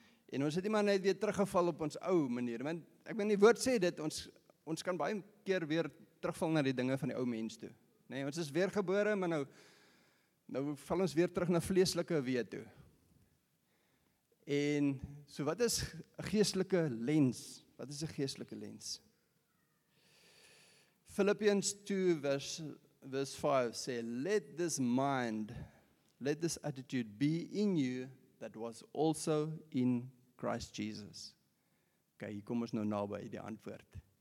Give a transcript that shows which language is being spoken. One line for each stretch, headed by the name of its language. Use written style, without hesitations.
Afrikaans: En ons het nie maar net weer teruggeval op ons ou manier, want ek meen die woord sê dit, ons kan baie keer weer terugval na die dinge van die ou mens toe. Nee, ons is weergebore, maar nou val ons weer terug na vleeslike wee toe. En so wat is 'n geestelike lens? Wat is 'n geestelike lens?
English: Philippians 2 verse 5 sê, let this attitude be in you that was also in Christ Jesus.
Afrikaans: Okay, hier kom ons nou naby die antwoord.